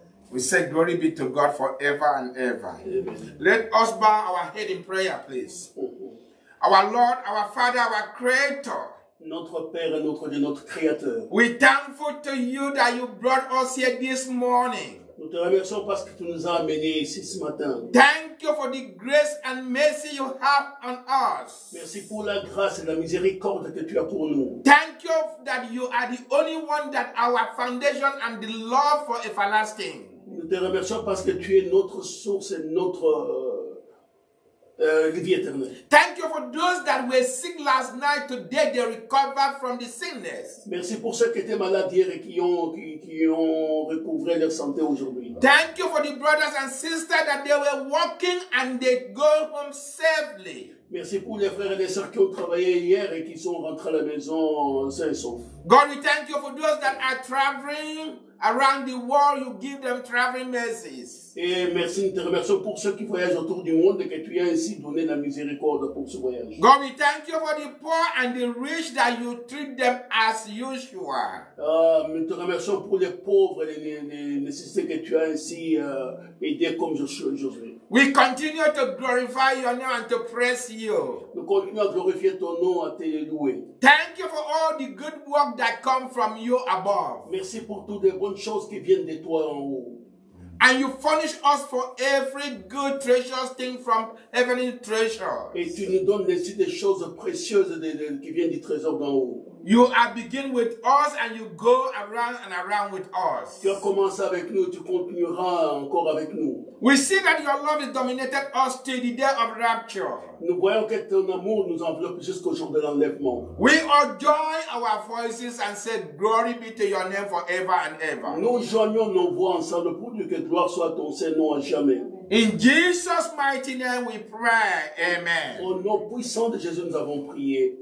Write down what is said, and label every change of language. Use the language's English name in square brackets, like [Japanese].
[English] We say glory be to God forever and ever. Let us bow our head in prayer, please. Our Lord, our Father, our Creator. [French] Notre Père, notre Dieu, notre Créateur. [English] We thankful to you that you brought us here this morning. [French] Nous te remercions parce que tu nous as amenés ici ce matin. [English] Thank you for the grace and mercy you have on us. [French] Merci pour la grâce et la miséricorde que tu as pour nous. [English] Thank you that you are the only one that our foundation and the love for everlasting. [French] Nous te remercions parce que tu es notre source et notre [English] Thank you for those that were sick last night. Today they recovered from the sickness. [French] Merci pour ceux qui étaient malades hier et qui ont recouvré leur santé aujourd'hui. [English] Thank you for the brothers and sisters that they were working and they go home safely. [French] Merci pour les frères et les sœurs qui ont travaillé hier et qui sont rentrés à la maison sains et saufs. [English] God, we thank you for those that are traveling around the world. You give them traveling mercies. [French] Et merci, nous te remercions pour ceux qui voyagent autour du monde et que tu as ainsi donné la miséricorde pour ce voyage. [English] God, we thank you for the poor and the rich that you treat them as usual. [French] Nous te remercions pour les pauvres et les nécessités que tu as ainsi aidés comme aujourd'hui. [English] We continue to glorify your name and to praise you. [French] Nous continuons à glorifier ton nom, à te louer. [English] Thank you for all the good work that comes from you above. [French] Merci pour toutes les bonnes choses qui viennent de toi en haut. [English] And you furnish us for every good treasure thing from heavenly treasures. [French] Et tu nous donnes des choses précieuses qui viennent du trésor d'en haut. [English] You are begin with us and you go around and around with us. [French] Tu as commencé avec nous, tu continueras encore avec nous. [English] We see that your love has dominated us to the day of rapture. [French] Nous voyons que ton amour nous enveloppe jusqu'au jour de l'enlèvement. [English] We all join our voices and say, glory be to your name forever and ever. [French] Nous joignons nos voix ensemble pour dire que gloire soit ton Seigneur à jamais. [English] In Jesus' mighty name we pray. Amen. [French] Au nom puissant de Jésus, nous avons prié.